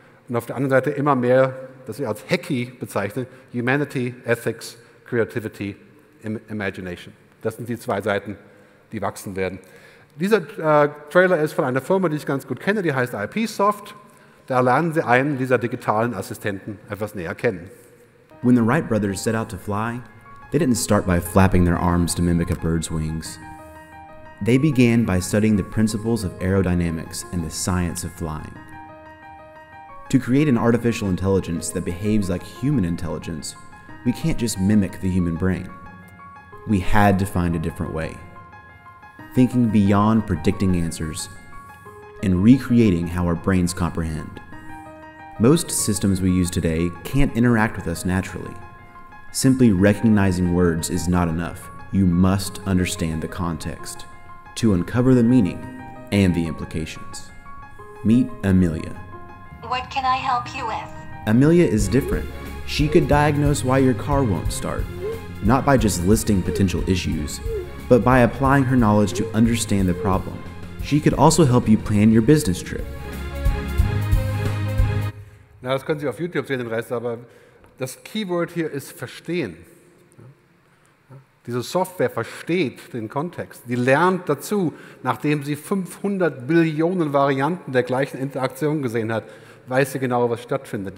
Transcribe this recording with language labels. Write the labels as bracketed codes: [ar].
[de] Und auf der anderen Seite immer mehr, das ich als Hacky bezeichne, Humanity, Ethics, Creativity, Imagination. Das sind die 2 Seiten, die wachsen werden. Dieser Trailer ist von einer Firma, die ich ganz gut kenne, die heißt IPsoft. Da lernen Sie einen dieser digitalen Assistenten etwas näher kennen. [en] When the Wright brothers set out to fly, they didn't start by flapping their arms to mimic a bird's wings. They began by studying the principles of aerodynamics and the science of flying. To create an artificial intelligence that behaves like human intelligence, we can't just mimic the human brain. We had to find a different way. Thinking beyond predicting answers and recreating how our brains comprehend. Most systems we use today can't interact with us naturally. Simply recognizing words is not enough. You must understand the context to uncover the meaning and the implications. Meet Amelia. What can I help you with? Amelia is different. She could diagnose why your car won't start, not by just listing potential issues, but by applying her knowledge to understand the problem. She could also help you plan your business trip. [de] Na, das können Sie auf YouTube sehen, den Rest, aber Das Keyword hier ist verstehen. Diese Software versteht den Kontext. Die lernt dazu, nachdem sie 500 Billionen Varianten der gleichen Interaktion gesehen hat, weiß sie genau, was stattfindet.